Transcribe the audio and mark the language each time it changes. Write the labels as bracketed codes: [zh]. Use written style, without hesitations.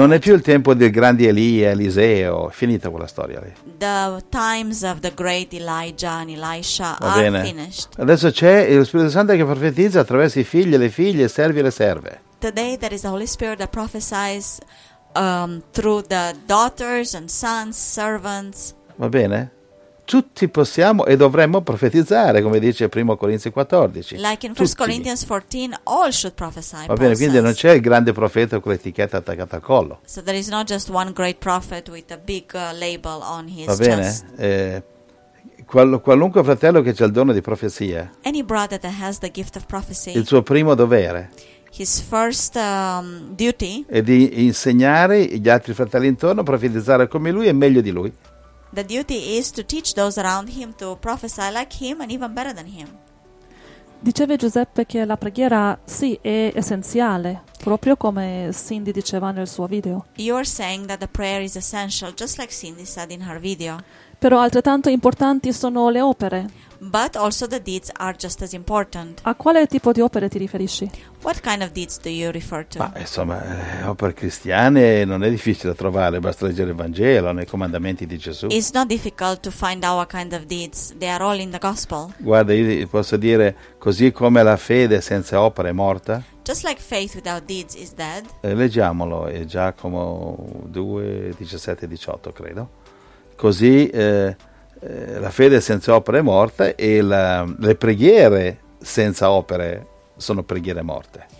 [it] Non è più il tempo del grande Elia, Eliseo. Finita quella storia lì. [en] The times of the great Elijah and Elisha are finished. [it] Adesso c'è lo Spirito Santo che profetizza attraverso i figli e le figlie, i servi e le serve. [en] Today there is the Holy Spirit that prophesies through the daughters and sons, servants. [it] Va bene? tutti possiamo e dovremmo profetizzare, come dice 1 Corinzi 14. [en] Like in 1 Corinthians 14, all should prophesy. [it] Va bene, quindi non c'è il grande profeta con l'etichetta attaccata al collo. [en] So there is not just one great prophet with a big label on his chest. [it] Va bene. Qualunque fratello che c'ha il dono di profezia. [en] Any brother that has the gift of prophecy. [it] Il suo primo dovere. [en] His first duty. [it] È di insegnare gli altri fratelli intorno a profetizzare come lui e meglio di lui. [en] The duty is to teach those around him to prophesy like him and even better than him. [it] Diceva Giuseppe che la preghiera sì è essenziale, proprio come Cindy diceva nel suo video. [en] You are saying that the prayer is essential, just like Cindy said in her video. [it] Però altrettanto importanti sono le opere. [en] But also the deeds are just as important. [it] A quale tipo di opere ti riferisci? [en] What kind of deeds do you refer to? [it] Ma insomma, opere cristiane non è difficile da trovare, basta leggere il Vangelo, nei comandamenti di Gesù. [en] It's not difficult to find our kind of deeds. They are all in the gospel. [it] Guarda, io posso dire, così come la fede senza opere è morta. [en] Just like faith without deeds is dead. [it] Leggiamolo, è Giacomo 2, 17 e 18, credo. Così la fede senza opere è morta e le preghiere senza opere sono preghiere morte.